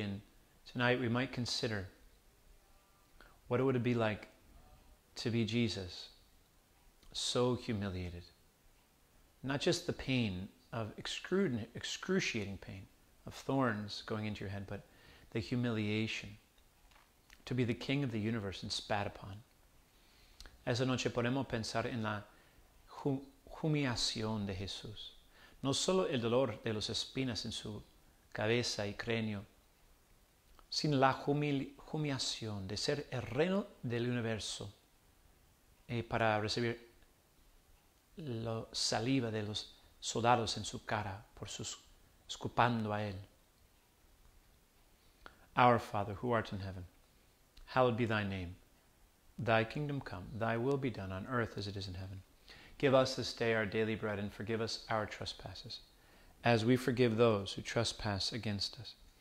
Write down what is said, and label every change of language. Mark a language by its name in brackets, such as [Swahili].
[English] And tonight we might consider what it would be like to be Jesus, so humiliated. Not just the pain of excruciating pain, of thorns going into your head, but the humiliation to be the king of the universe and spat upon. [Spanish] Esa noche podemos pensar en la humillación de Jesús. No solo el dolor de las espinas en su cabeza y cráneo, sino la humillación de ser el reino del universo y para recibir la saliva de los soldados en su cara por sus escupando a él. [English] Our Father, who art in heaven, hallowed be thy name. Thy kingdom come, thy will be done on earth as it is in heaven. Give us this day our daily bread and forgive us our trespasses, as we forgive those who trespass against us.